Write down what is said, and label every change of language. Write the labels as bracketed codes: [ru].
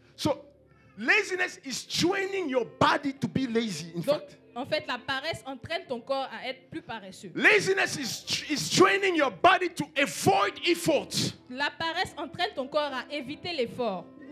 [en] So laziness is training your body to be lazy. [fr] En fait, la paresse entraîne ton corps à être plus paresseux. [en] Laziness is training your body to avoid effort. [fr] La paresse entraîne ton corps à éviter l'effort.